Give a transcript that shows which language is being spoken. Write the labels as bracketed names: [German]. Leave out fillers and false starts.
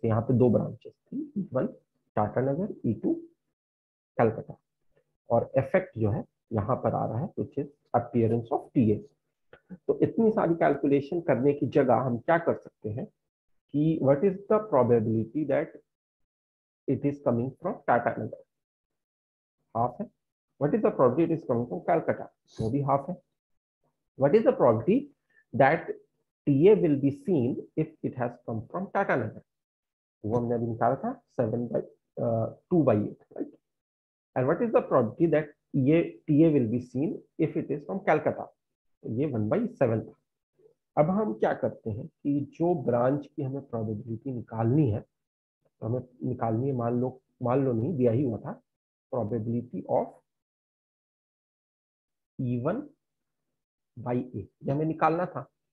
[Hindi] यहाँ पे दो ब्रांचेस थी, one Tata Nagar, E to Calcutta, और इफेक्ट जो है यहाँ पर आ रहा है [English] Which is appearance of TA. [Hindi] तो इतनी सारी कैलकुलेशन करने की जगह हम क्या कर सकते हैं कि [English] what is the probability that it is coming from Tata Nagar, [Hindi] half है। [English] what is the probability it is coming from Calcutta, [Hindi] वो भी हाफ है। [English] what is the probability that TA will be seen if it has come from Tata Nagar, [Hindi] वो हमने अभी निकाला था [English] 7/2/8, right? And what is the probability that TA will be seen if it is from Calcutta? [Hindi] तो ये 1/7 था। अब हम क्या करते हैं कि जो ब्रांच की हमें प्रॉबेबिलिटी निकालनी है, तो हमें निकालनी है, मान लो नहीं दिया ही हुआ था, प्रॉबेबिलिटी ऑफ E1/8 ये हमें निकालना था।